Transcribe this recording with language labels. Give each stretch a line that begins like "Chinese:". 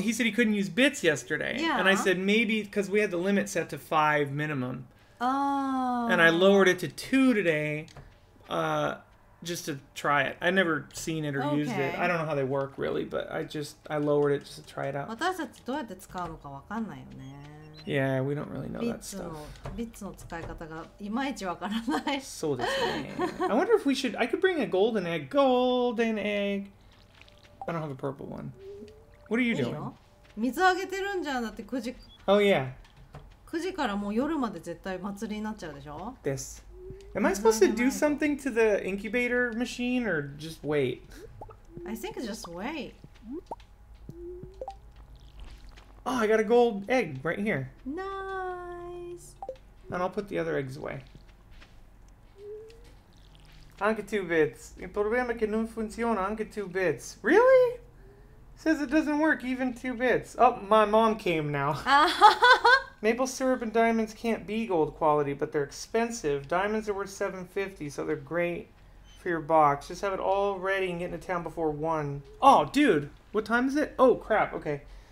English: He said he couldn't use bits yesterday. Yeah. And I said maybe... Because we had the limit set to 5 minimum. Oh. And I lowered it to 2 today. Just to try it. I never seen it or okay. used it. I don't know how they work really, but I lowered it just to try it out.
Japanese: 私たちどうやって使うのかわかんないよね。
English: Yeah, we don't really know that stuff.
Japanese: ビッツの使い方がいまいちわからない。そうですね。
English: I wonder if we should. I could bring a golden egg. Golden egg. I don't have a purple one. What are you doing?
Japanese: いいの？水あげてるんじゃん。だって9時。
English: Oh yeah.
Japanese: 9時からもう夜まで絶対祭りになっちゃうでしょ。
English: This. Am I supposed to do something to the incubator machine or just wait? I think just wait. Oh, I got a gold egg right here. Nice. And I'll put the other eggs away.
Italian: Anche 2 bits. Il problema è che non funziona anche 2 bits.
English: Really? Says it doesn't work even 2 bits. Oh, my mom came now. Maple syrup and diamonds can't be gold quality, but they're expensive. Diamonds are worth $750, so they're great for your box. Just have it all ready and get into town before 1. Oh, dude, what time is it? Oh, crap, okay.